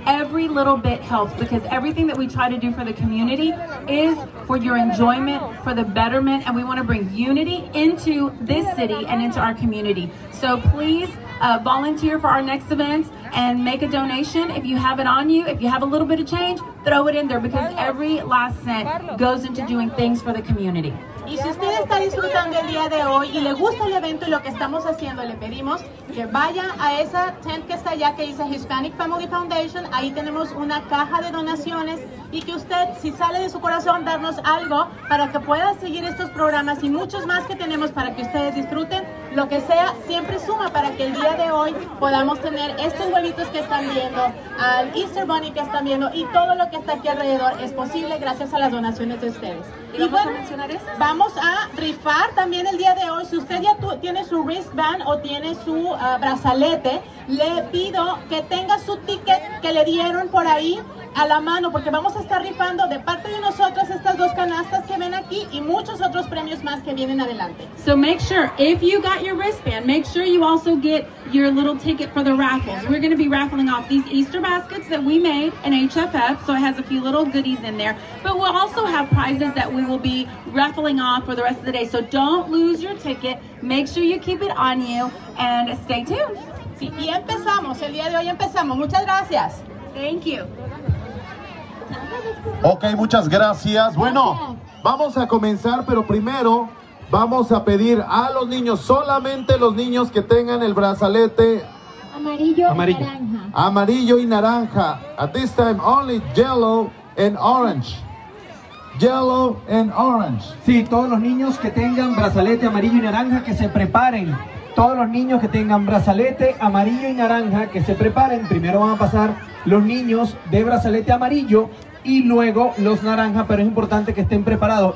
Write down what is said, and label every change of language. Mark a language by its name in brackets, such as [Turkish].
[English] Every little bit helps, because everything that we try to do for the community is for your enjoyment, for the betterment, and we want to bring unity into this city and into our community. So please volunteer for our next events and make a donation. If you have it on you, if you have a little bit of change, throw it in there, because every last cent goes into doing things for the community. [Spanish] Y si usted está disfrutando el día de hoy y le gusta el evento y lo que estamos haciendo, le pedimos que vaya a esa tent que está allá, que dice Hispanic Family Foundation. Ahí tenemos una caja de donaciones y que usted, si sale de su corazón, darnos algo para que pueda seguir estos programas y muchos más que tenemos para que ustedes disfruten. Lo que sea, siempre suma para que el día de hoy podamos tener estos huevitos que están viendo, al Easter Bunny que están viendo y todo lo que está aquí alrededor es posible gracias a las donaciones de ustedes. ¿Y vamos bueno, a mencionar eso? Vamos a rifar también el día de hoy. Si usted ya tiene su wristband o tiene su brazalete, le pido que tenga su ticket que le dieron por ahí a la mano, porque vamos a estar rifando de parte de nosotros estas dos canastas que ven aquí y muchos otros premios más que vienen adelante. [English] So make sure, if you got your wristband, make sure you also get your little ticket for the raffles. We're going to be raffling off these Easter baskets that we made in HFF, so it has a few little goodies in there, but we'll also have prizes that we will be raffling off for the rest of the day. So don't lose your ticket, make sure you keep it on you, and stay tuned. [Spanish] Sí, y empezamos, el día de hoy empezamos. Muchas gracias. [English] Thank you. [Spanish] Ok, muchas gracias. Bueno, vamos a comenzar, pero primero vamos a pedir a los niños, solamente los niños que tengan el brazalete amarillo y naranja. Amarillo y naranja. [English] At this time, only yellow and orange. Yellow and orange. [Spanish] Sí, todos los niños que tengan brazalete amarillo y naranja, que se preparen. Todos los niños que tengan brazalete amarillo y naranja, que se preparen. Primero van a pasar los niños de brazalete amarillo y luego los naranjas, pero es importante que estén preparados.